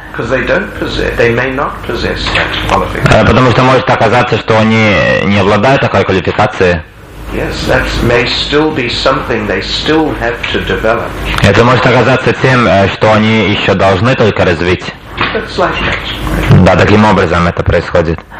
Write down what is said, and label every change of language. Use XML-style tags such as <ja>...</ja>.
<en>Because they don't possess, they may not possess that qualification.</en> <ru>Потому что может оказаться, что они не обладают такой квалификацией.</ru> <en>Yes, that may still be something they still have to develop.</en> <ru>Это может оказаться тем, что они еще должны только развить.</ru> <en>It's like that.</en> <ru>Да, таким образом это происходит.</ru>